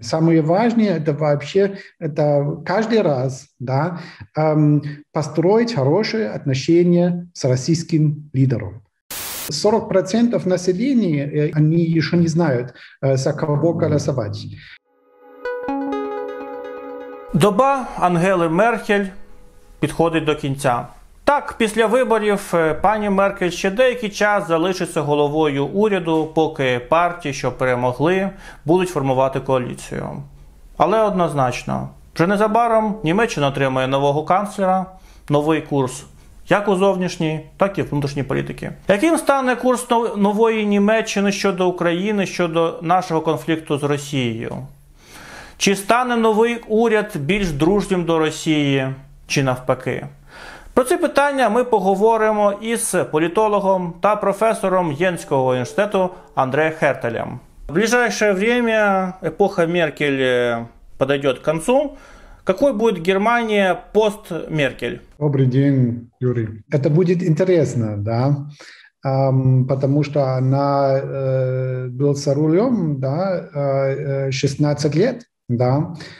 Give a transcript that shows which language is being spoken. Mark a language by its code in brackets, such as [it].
[ru] Самое важное – это вообще это каждый раз, да, построить хорошие отношения с российским лидером. 40% населения, они еще не знают, за кого голосовать. [uk] Доба Ангели Меркель підходить до кінця. Так, після виборів пані Меркель ще деякий час залишиться головою уряду, поки партії, що перемогли, будуть формувати коаліцію. Але однозначно, вже незабаром Німеччина отримає нового канцлера, новий курс як у зовнішній, так і внутрішній політиці. Яким стане курс нової Німеччини щодо України, щодо нашого конфлікту з Росією? Чи стане новий уряд більш дружнім до Росії, чи навпаки? Про ці питання ми поговоримо із політологом та професором Єнського університету Андреем Хертелем. [ru] В ближайше время епоха Меркель подойдет к концу. Какой будет Германия пост Меркель? Добрый день, Юрий. Это будет интересно, да, потому что она была за рулем, да, 16 лет, да.